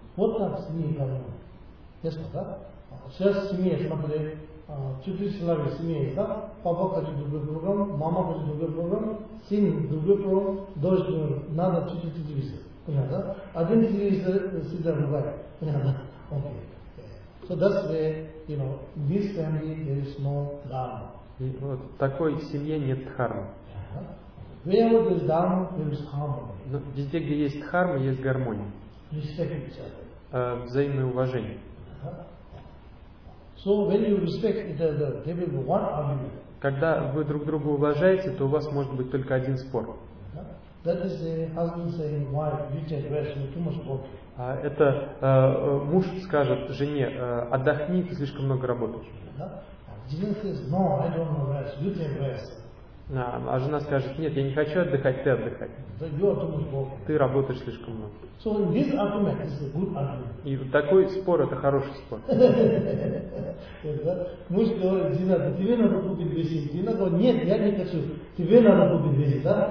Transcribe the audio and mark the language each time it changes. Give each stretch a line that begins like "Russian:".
Russian: Вот так с ней программа. Ясно, да? Сейчас семья, смотри, 4 человека семьи, да? Папа хочет другой программ, мама хочет другой программ, сын другой программ, дочь другой, надо 4 телевизора. Понятно, да? Один телевизор всегда другой. Понятно? Окей.
English: So that's the, you know, this family there is no dharma.
Russian: И вот такой семье нет дхармы.
English: Where there is dharma, there is harmony.
Russian: Но везде, где есть дхарма, есть гармония.
English: Respect each other.
Russian: Взаимное уважение.
English: So when you respect each other, there will be one argument.
Russian: Когда вы друг друга уважаете, то у вас может быть только один спор.
English: That is a husband saying, why you take rest, you too much work.
Russian: Это муж скажет жене, отдохни, ты слишком много работаешь.
English: Jesus says, no, I don't want rest, you take rest.
Russian: А жена скажет, нет, я не хочу отдыхать, ты отдыхай. Ты работаешь слишком много.
English: So this argument is a good argument.
Russian: И такой спор – это хороший спор. Муж говорит, жена, тебе надо купить бензин. Жена говорит, нет, я не хочу, тебе надо купить бензин.